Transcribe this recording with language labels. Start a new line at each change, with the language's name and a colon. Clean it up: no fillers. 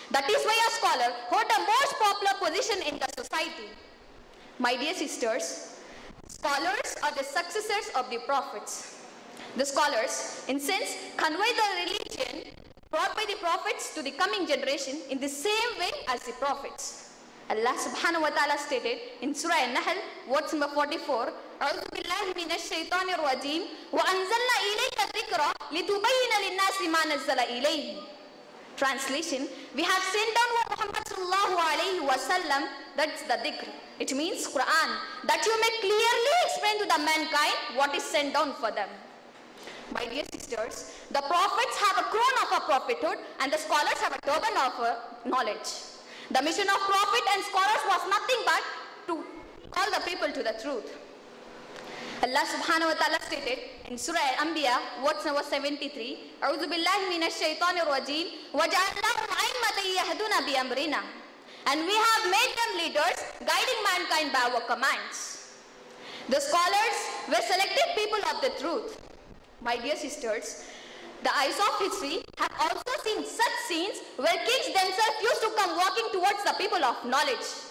English: That is why a scholar holds the most popular position in the society. My dear sisters, scholars are the successors of the prophets. The scholars, in sense, convey the religion brought by the prophets to the coming generation in the same way as the prophets. Allah subhanahu wa ta'ala stated in Surah An-Nahl, verse number 44,
Arabic: أعوذ بالله من الشيطان الرجيم وأنزلنا إليك الذكرى لتبين للناس ما نزل إليه.
English: Translation, we have sent down what Muhammad sallallahu alayhi wa sallam, that's the dhikr. It means Quran, that you may clearly explain to the mankind what is sent down for them. My dear sisters, the prophets have a crown of a prophethood and the scholars have a turban of a knowledge. The mission of prophet and scholars was nothing but to call the people to the truth. Allah subhanahu wa ta'ala stated in Surah Al-Anbiya, verse number 73,
Arabic: أعوذ بالله من الشيطان الرجيم وجعلناهم أئمة يهدون بأمرنا.
English: And we have made them leaders, guiding mankind by our commands. The scholars were selected people of the truth. My dear sisters, the eyes of history have also seen such scenes where kings themselves used to come walking towards the people of knowledge.